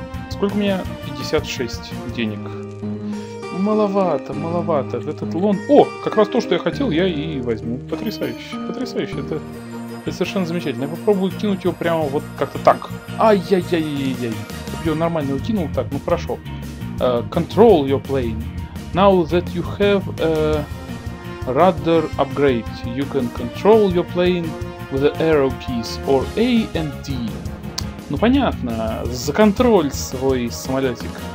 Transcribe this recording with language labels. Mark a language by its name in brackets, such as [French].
[Russian] Сколько у меня? 56 денег. Маловато. Этот лон... О, как раз то, что я хотел, я и возьму. Потрясающе. Это совершенно замечательно. Я попробую кинуть его прямо вот как-то так. Ай-яй-яй-яй-яй. Я бы его нормально кинул так, ну хорошо. [English] Control your plane. Now that you have a rudder upgrade, you can control your plane with the arrow keys or A and D. [Russian] Ну понятно, за контроль свой самолетик.